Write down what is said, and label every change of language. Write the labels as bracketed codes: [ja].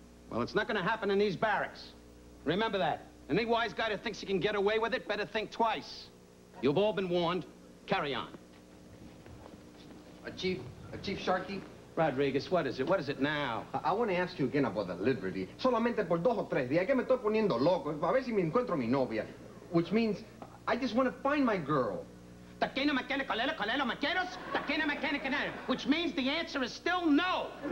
[en] Well, it's not going to happen in these barracks. Remember that. Any wise guy that thinks he can get away with it better think twice. You've all been warned. Carry on. Chief Sharkey? Rodriguez, what is it? What is it now? I want to ask you again about the Liberty. [es] Solamente por dos o tres días que me estoy poniendo loco. A ver si me encuentro mi novia. [en] Which means, I just want to find my girl. Which means the answer is still no.